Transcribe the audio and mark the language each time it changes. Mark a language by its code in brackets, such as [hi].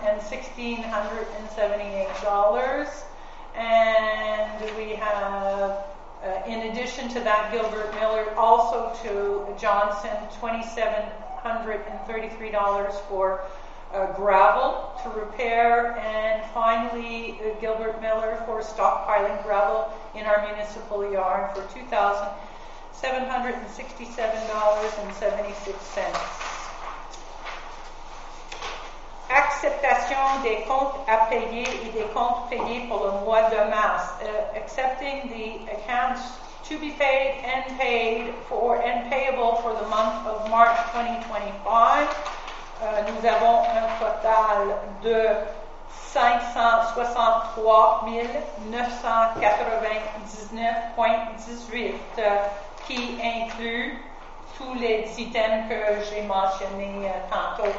[en] $8,021.1678. And we have, in addition to that, Gilbert Miller, also to Johnson, $2,733 for gravel to repair, and finally Gilbert Miller for stockpiling gravel in our municipal yard for $2,767.76. [fr] Acceptation des comptes à payer et des comptes payés pour le mois de mars. [en] Accepting the accounts to be paid and paid for and payable for the month of March 2025. [fr] Nous avons un total de 563 999.18 qui inclut tous les items que j'ai mentionnés tantôt.